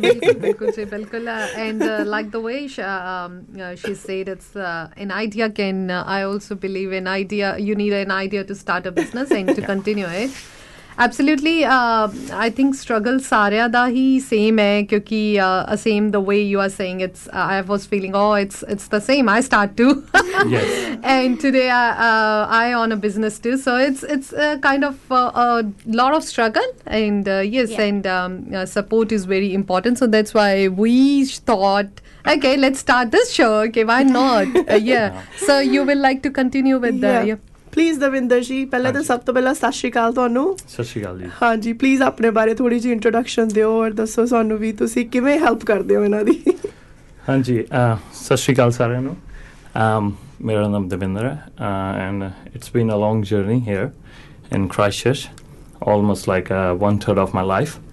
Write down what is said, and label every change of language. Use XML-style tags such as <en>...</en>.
<en>ਬਿਲਕੁਲ ਜੀ ਬਿਲਕੁਲ and like the way she said it's an idea can I also believe an idea you need an idea to start a business and to continue it Absolutely, I think struggle</en> <pa>saarya da hi same hai, kyunki</pa> <en>same the way you are saying it's, I was feeling, oh, it's the same, I start too. Yes. And today I own a business too, so it's a kind of a lot of struggle and yes, yeah. and support is very important. So that's why we thought, okay, let's start this show. Okay, why not? yeah. yeah. So you will like to continue with the... Yeah.</en> <pa>Please Davinder ਜੀ ਪਹਿਲਾਂ ਤਾਂ ਸਭ ਤੋਂ ਪਹਿਲਾਂ ਸਤਿ ਸ਼੍ਰੀ ਅਕਾਲ ਤੁਹਾਨੂੰ ਸਤਿ ਸ਼੍ਰੀ ਅਕਾਲ ਜੀ ਹਾਂਜੀ ਪਲੀਜ਼ ਆਪਣੇ ਬਾਰੇ ਥੋੜ੍ਹੀ ਜਿਹੀ ਇੰਟਰੋਡਕਸ਼ਨ ਦਿਓ ਔਰ ਦੱਸੋ ਸਾਨੂੰ ਵੀ ਤੁਸੀਂ ਕਿਵੇਂ ਹੈਲਪ ਕਰਦੇ ਹੋ ਇਹਨਾਂ ਦੀ ਹਾਂਜੀ ਸਤਿ ਸ਼੍ਰੀ ਅਕਾਲ ਸਾਰਿਆਂ ਨੂੰ ਮੇਰਾ ਨਾਮ ਦਵਿੰਦਰ ਹੈ</pa> <en>and it's been a long journey here in Christchurch almost like one third of my life</en>